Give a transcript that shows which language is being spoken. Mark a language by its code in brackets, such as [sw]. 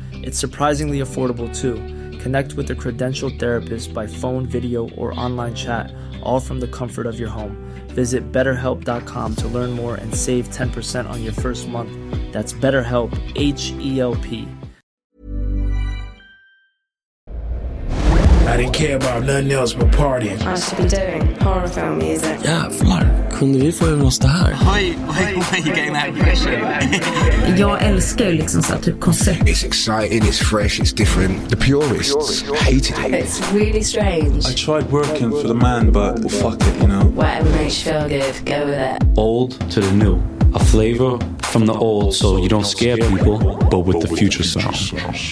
[en] It's surprisingly affordable too. Connect with a credentialed therapist by phone, video, or online chat, all from the comfort of your home. Visit betterhelp.com to learn more and save 10% on your first month. That's BetterHelp, H-E-L-P. I didn't care about nothing else but partying. I should be doing horror film music. [sv] Yeah, Mark, kunde vi få över oss det här? [en] Why are you getting that impression? [sv] Jag älskar liksom så här typ koncept. [en] It's exciting, it's fresh, it's different. The purists hated it. It's really strange. I tried working for the man, but fuck it, you know. Whatever makes you feel good, go with it. Old to the new. A flavor from the old, so you don't scare people, but with the future sound.